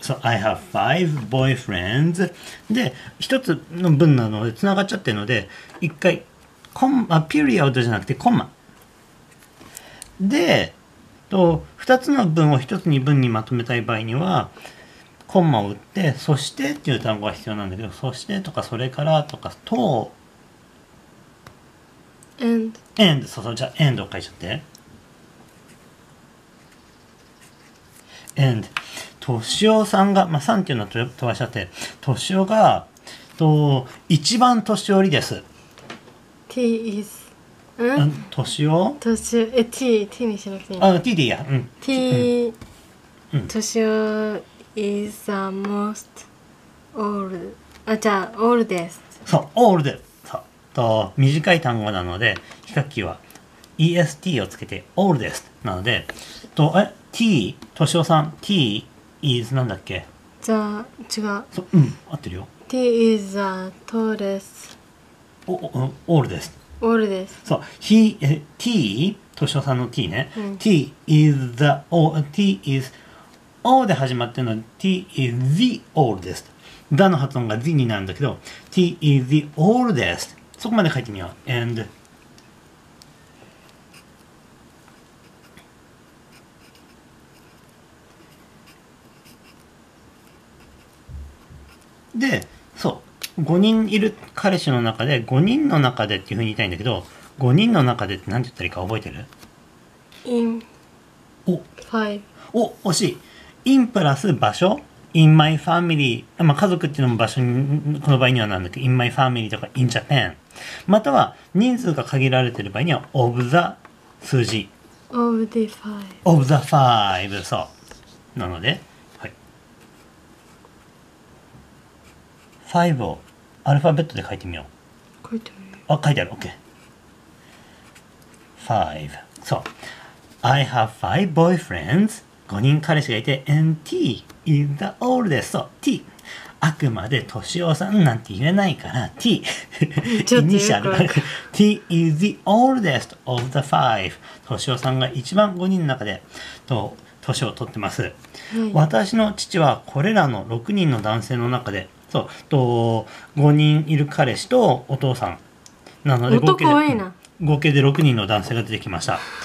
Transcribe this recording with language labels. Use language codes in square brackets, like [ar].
[en] So I have five boyfriends. [ja] で、一つの文なので繋がっちゃってるので、一回コンマ、ピリオドじゃなくてコマ。で、と二つの文を一つに文にまとめたい場合には、コンマを打って、そしてっていう単語が必要なんだけど、そしてとかそれからとかと。 [en] And. [ja] そうそう、じゃあ and を書いちゃって。 [en] And. [ja] 敏夫さんが、まあ、さんっていうのは飛ばしちゃって、敏夫が、一番年寄りです。 [en] T is. うん、 [ja] 敏夫？敏夫、え、T、T にしなくていい。あ、T でいいや。うん。 [en] T、敏夫 is the most old. [ja] あ、じゃあ、oldest。そう、old。と短い単語なので、比較機は EST をつけて oldest なので、と、え、T、敏夫さん、T is なんだっけ？じゃあ、違う。そう、うん、合ってるよ。 [en] T is the tallest。 oldest。 oldest。 [ja] そう、he、T、敏夫さんの T ね。うん、 [en] T is the o、T is o [ja] で始まってるので、 [en] T is the oldest。 [ja] だの発音が the になるんだけど、 [en] T is the oldest。 [ja] そこまで書いてみよう。 And で、そう、5人いる彼氏の中で、5人の中でっていうふうに言いたいんだけど、5人の中でって何て言ったらいいか覚えてる？ [en] In [ja] お [en] five。 [ja] お、惜しい。 In プラス場所、 [en] In my family、 [ja] まあ、家族っていうのも場所に、この場合にはなんだっけ、 In my family とか [en] In Japan、 [ja] または人数が限られてる場合には Of the 数字、 [en] Of the five、 Of the five、 [ja] そうなので、はい、 five をアルファベットで書いてみよう。書いてみよう。あ、書いてある、 [en] OK、 five、 そう、 I have five boyfriends、 [ja] 5人彼氏がいて、 [en] and T is the oldest。 そう、 T、 [ja] あくまで敏夫さんなんて言えないから T イニシャル [en] T is the oldest of the five。 [ja] 敏夫さんが一番5人の中でと年を取ってます、はい、私の父はこれらの6人の男性の中でそうと5人いる彼氏とお父さんなので合計で6人の男性が出てきました。